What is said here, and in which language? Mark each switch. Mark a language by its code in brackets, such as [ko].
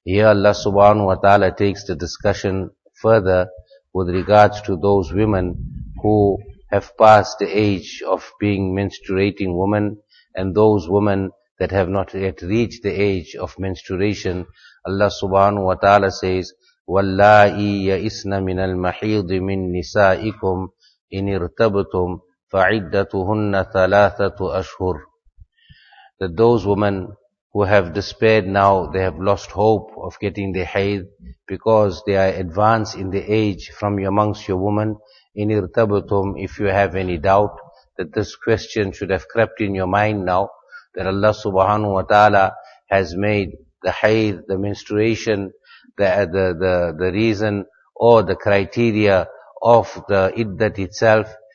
[en] Here Allah subhanahu wa ta'ala takes the discussion further with regards to those women who have passed the age of being menstruating women, and those women that have not yet reached the age of menstruation. Allah subhanahu wa ta'ala says, [ar] وَاللَّائِي يَئِسْنَ مِنَ الْمَحِيضِ مِنْ نِسَائِكُمْ إِنِ ارْتَبْتُمْ فَعِدَّتُهُنَّ ثَلَاثَةُ أَشْهُرٍ. [en] That those women who have despaired now, they have lost hope of getting the haid because they are advanced in the age from amongst your women. In irtabatum, if you have any doubt, that this question should have crept in your mind now, that Allah subhanahu wa ta'ala has made the haid, the menstruation, the reason or the criteria of the iddat itself.